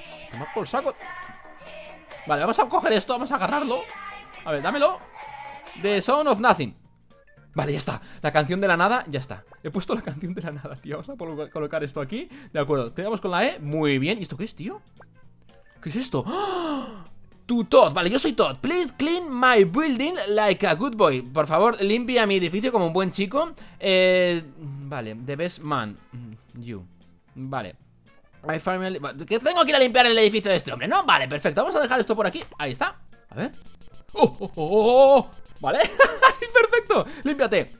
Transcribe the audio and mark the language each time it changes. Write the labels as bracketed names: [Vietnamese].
[Spanish] Tomar por saco. Vale, vamos a coger esto, vamos a agarrarlo. A ver, dámelo. The Sound of Nothing. Vale, ya está, la canción de la nada, ya está. He puesto la canción de la nada, tío. Vamos a colocar esto aquí, de acuerdo. Tenemos con la E, muy bien, ¿y esto qué es, tío? ¿Qué es esto? ¡Oh! Todd, vale, yo soy Todd. [English] Please clean my building like a good boy. [Spanish] Por favor, limpia mi edificio como un buen chico. [English] Vale, the best man. You. Vale. My family. [Spanish] Que tengo que ir a limpiar el edificio de este hombre, ¿no? Vale, perfecto. Vamos a dejar esto por aquí. Ahí está. A ver. ¡Oh! Vale. Perfecto. Límpiate.